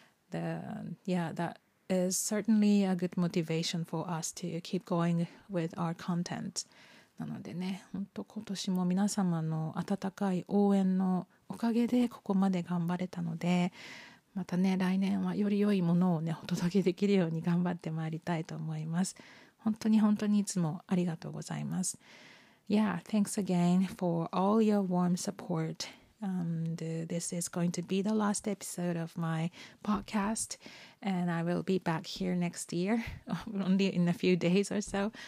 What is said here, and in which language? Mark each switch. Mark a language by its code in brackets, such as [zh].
[en] The, yeah, that is certainly a good motivation for us to keep going with our content. [ja] なのでね、本当今年も皆様の温かい応援のおかげでここまで頑張れたので、またね来年はより良いものをねお届けできるように頑張ってまいりたいと思います。本当に本当にいつもありがとうございます。 [en] Yeah, thanks again for all your warm support and this is going to be the last episode of my podcast and I will be back here next year only in a few days or so。